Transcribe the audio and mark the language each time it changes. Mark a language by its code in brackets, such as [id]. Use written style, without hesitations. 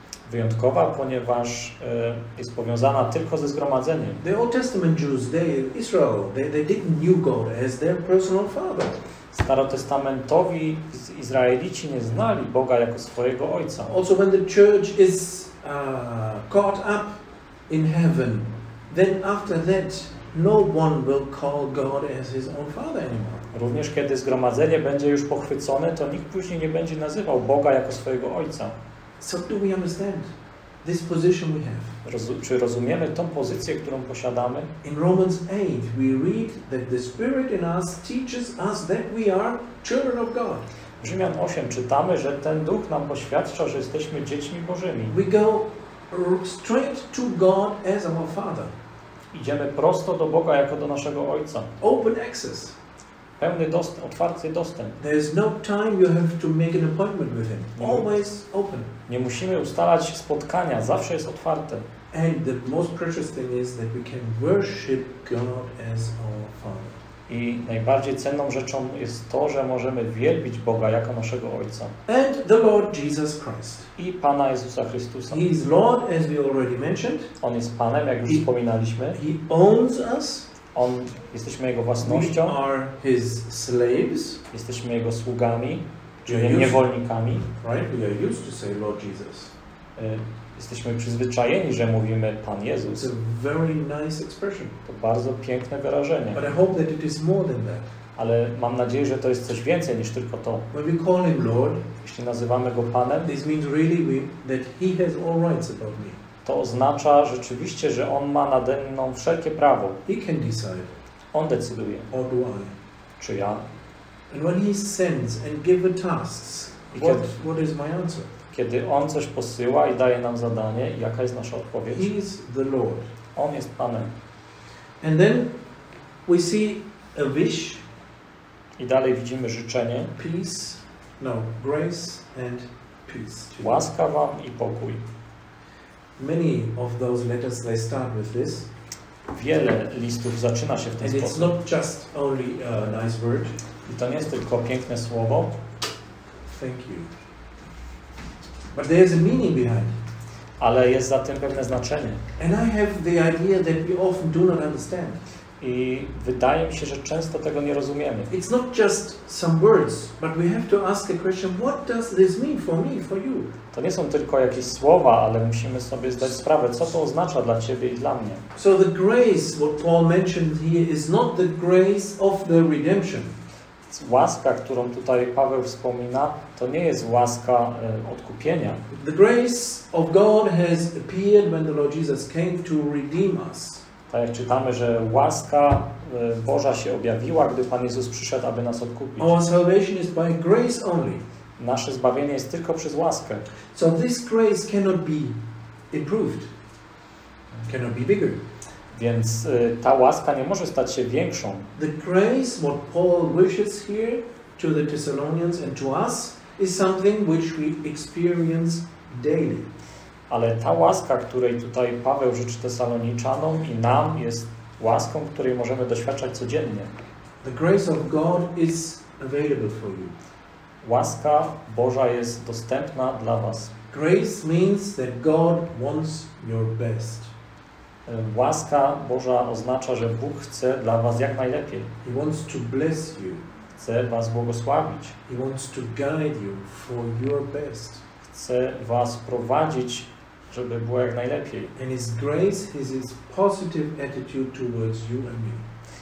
[pl] Wyjątkowa, ponieważ jest powiązana tylko ze zgromadzeniem. [en] The Old Testament Jews, they Israel, they didn't knew God as their personal father. [pl] Starotestamentowi Izraelici nie znali Boga jako swojego Ojca. [en] Also when the church is caught up in heaven, then after that no one will call God as his own father anymore. [pl] Również kiedy zgromadzenie będzie już pochwycone, to nikt później nie będzie nazywał Boga jako swojego Ojca. [en] So do we understand this position we have? [pl] Czy rozumiemy tą pozycję, którą posiadamy? [en] In Romans 8 we read that the Spirit in us teaches us that we are children of God. [pl] W Rzymian 8 czytamy, że ten Duch nam poświadcza, że jesteśmy dziećmi Bożymi. [en] We go straight to God as our Father. [pl] Idziemy prosto do Boga jako do naszego Ojca. [en] Open access. [pl] Pełny dostęp, otwarty dostęp. [en] There is no time you have to make an appointment with him. Always open. [pl] Nie musimy ustalać spotkania, zawsze jest otwarte. [en] And the most precious thing is that we can worship God as our Father. [pl] I najbardziej cenną rzeczą jest to, że możemy wielbić Boga jako naszego Ojca. [en] And the Lord Jesus Christ. [pl] I Pana Jezusa Chrystusa. [en] He is Lord, as we already mentioned. [pl] On jest Panem, jak już wspominaliśmy. [en] He owns us. [pl] On, jesteśmy Jego własnością. [en] We are his slaves. [pl] Jesteśmy Jego sługami, czyli niewolnikami. [en] Right? We are used to say Lord Jesus. [pl] Jesteśmy przyzwyczajeni, że mówimy Pan Jezus. [en] It's a very nice expression. [pl] To bardzo piękne wyrażenie. [en] But I hope that it is more than that. [pl] Ale mam nadzieję, że to jest coś więcej niż tylko to. [en] When we call him Lord, [pl] jeśli nazywamy Go Panem, [en] this means really that he has all rights about me. [pl] To oznacza rzeczywiście, że On ma nade mną wszelkie prawo. [en] He can decide. [pl] On decyduje. [en] Or do I. [pl] Czy ja. [en] And when he sends and gives tasks, what is my answer? [pl] Kiedy On coś posyła i daje nam zadanie, jaka jest nasza odpowiedź? [en] He is the Lord. [pl] On jest Panem. [en] And then we see a wish. [pl] I dalej widzimy życzenie. [en] Peace. No, grace and peace. [pl] Łaska wam i pokój. [en] Many of those letters, they start with this. [pl] Wiele listów zaczyna się w ten [en] and [pl] sposób. [en] It's not just only a nice word. [pl] I to nie jest tylko piękne słowo. [en] Thank you. But there's a meaning behind. [pl] Ale jest za tym pewne znaczenie. [en] And I have the idea that we often do not understand. [pl] I wydaje mi się, że często tego nie rozumiemy. [en] It's not just some words, but we have to ask the question, what does this mean for me, for you? [pl] To nie są tylko jakieś słowa, ale musimy sobie zdać sprawę, co to oznacza dla ciebie i dla mnie. [en] So the grace, what Paul mentioned here, is not the grace of the redemption. [pl] Łaska, którą tutaj Paweł wspomina, to nie jest łaska odkupienia. [en] The grace of God has appeared when the Lord Jesus came to redeem us. [pl] Tak jak czytamy, że łaska Boża się objawiła, gdy Pan Jezus przyszedł, aby nas odkupić. [en] Our salvation is by grace only. [pl] Nasze zbawienie jest tylko przez łaskę. [en] So this grace cannot be improved. Cannot be bigger. [pl] Więc ta łaska nie może stać się większą. [en] The grace what Paul wishes here to the Thessalonians and to us is something which we experience daily. [pl] Ale ta łaska, której tutaj Paweł życzy Tesaloniczanom i nam, jest łaską, której możemy doświadczać codziennie. [en] The grace of God is available for you. [pl] Łaska Boża jest dostępna dla was. [en] Grace means that God wants your best. [pl] Łaska Boża oznacza, że Bóg chce dla was jak najlepiej. [en] He wants to bless you. [pl] Chce was błogosławić. [en] He wants to guide you for your best. [pl] Chce was prowadzić, żeby było jak najlepiej. [en] And his grace is his positive attitude towards you and me.